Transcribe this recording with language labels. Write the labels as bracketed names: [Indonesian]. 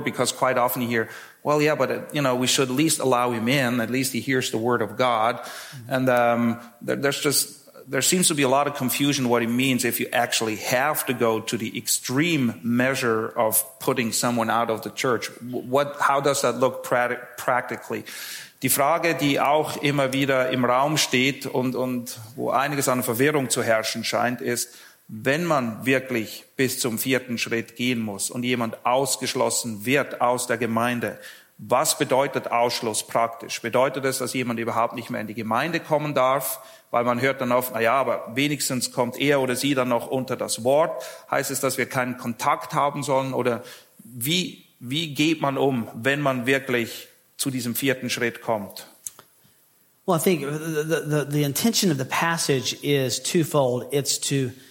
[English] Because quite often you hear, well, yeah, but you know, we should at least allow him in. At least he hears the word of God. Mm-hmm. And there seems to be a lot of confusion what it means if you actually have to go to the extreme measure of putting someone out of the church. How does that look practically? [German] Die Frage, die auch immer wieder im Raum steht und wo einiges an Verwirrung zu herrschen scheint, ist, wenn man wirklich bis zum vierten Schritt gehen muss und jemand ausgeschlossen wird aus der Gemeinde, was bedeutet Ausschluss praktisch? Bedeutet es, dass jemand überhaupt nicht mehr in die Gemeinde kommen darf? Weil man hört dann oft, naja, aber wenigstens kommt er oder sie dann noch unter das Wort. Heißt es, dass wir keinen Kontakt haben sollen? Oder wie geht man um, wenn man wirklich zu diesem vierten Schritt kommt? [English] Well, I think the intention of the passage is twofold. It's to